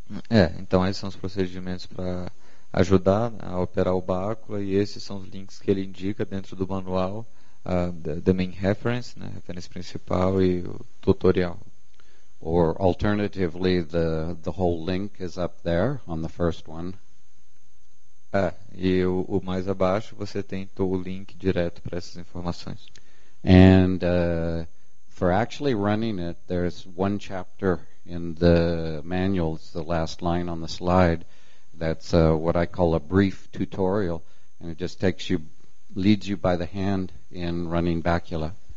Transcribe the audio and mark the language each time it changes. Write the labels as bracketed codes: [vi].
[pt] Então esses são os procedimentos para ajudar a operar o Bacula, e esses são os links que ele indica dentro do manual, [en] the main reference, [pt] né, referência principal e o tutorial. [en] Or alternatively, the whole link is up there on the first one. [pt] E o mais abaixo você tem todo o link direto para essas informações. [en] And for actually running it, there's one chapter in the manual, it's the last line on the slide, that's what I call a brief tutorial, and it just takes you, leads you by the hand in running Bacula.